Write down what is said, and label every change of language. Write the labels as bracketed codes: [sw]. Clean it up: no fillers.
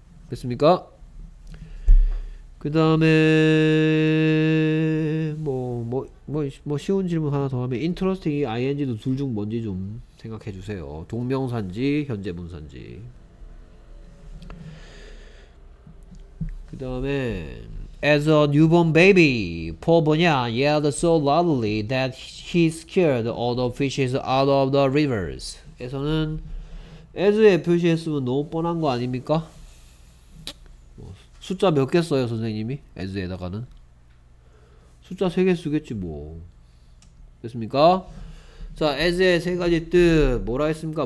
[ko] 됐습니까? 그 다음에 뭐 쉬운 질문 하나 더 하면 interesting이 ing도 둘중 뭔지 좀 생각해 주세요. 동명사인지 현재 분사인지. 그 다음에 [en] as a newborn baby, poor Bunyan yelled so loudly that he scared all the fishes out of the rivers. [ko] 에서는 as에 표시했으면 너무 뻔한 거 아닙니까? 숫자 몇개 써요, 선생님이? as에다가는. 숫자 세개 쓰겠지, 뭐. 됐습니까? 자, as의 세 가지 뜻. 뭐라 했습니까?